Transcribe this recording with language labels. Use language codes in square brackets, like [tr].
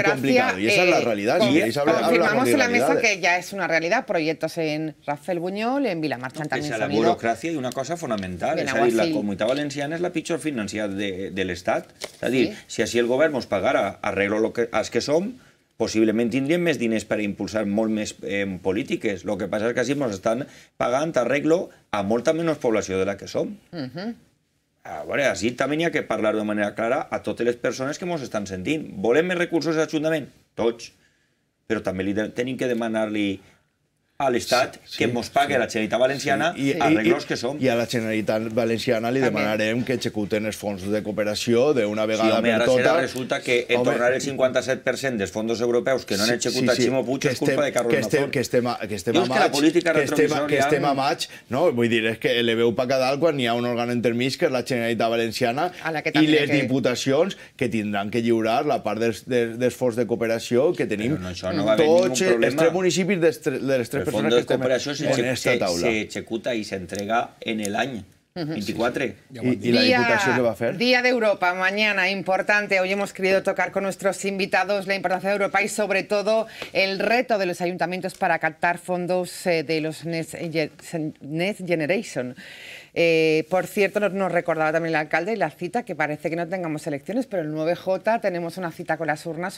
[es] Es muy complicado, y esa es la realidad. Confirmamos en la mesa que ya es una realidad. Proyectos en Rafael Buñol, en Vilamarchant también se ha ido. Pese a la burocracia, y una cosa fundamental. Es decir, [ca] la Comunidad Valenciana es la pitjor financiada del Estat. Es a dir, si así el govern os pagara arreglo lo que som, possiblement tindríem més diners per impulsar molt més polítiques. El que passa és que així ens estan pagant arreglo a molta menys població de la que som. Uh-huh. A veure, així també hi ha que parlar de manera clara a totes les persones que ens estan sentint. Volem més recursos a l'Ajuntament? Tots. Però també li tenim que demanar-li a l'Estat, sí, sí, que mos pague, sí, la Generalitat Valenciana, sí, i arreglos que som. I a la Generalitat Valenciana li demanarem que executen els fons de cooperació d'una vegada, sí, home, per totes. Resulta que tornar el 57% dels fons europeus que no han executat, sí, sí, Ximo Puig, és culpa de Carlos Mazón. Que estem a maig. Que estem a maig. No, vull dir, és que eleveu per cada quan hi ha un òrgan intermís, que és la Generalitat Valenciana, i les diputacions que tindran que lliurar la part dels fons de cooperació que tenim. Però no, això no va haver ningú problema. Tots els municipis de les tres. El fons de cooperació s'executa i s'entrega en l'any 24. Sí, sí. I la diputació què va fer? [es] Dia d'Europa, mañana, importante. Hoy hemos querido tocar con nuestros invitados la importancia de Europa y sobre todo el reto de los ayuntamientos para captar fondos de los Next Generation. Por cierto, nos recordaba también el alcalde la cita, que parece que no tengamos elecciones, pero el 9J tenemos una cita con las urnas.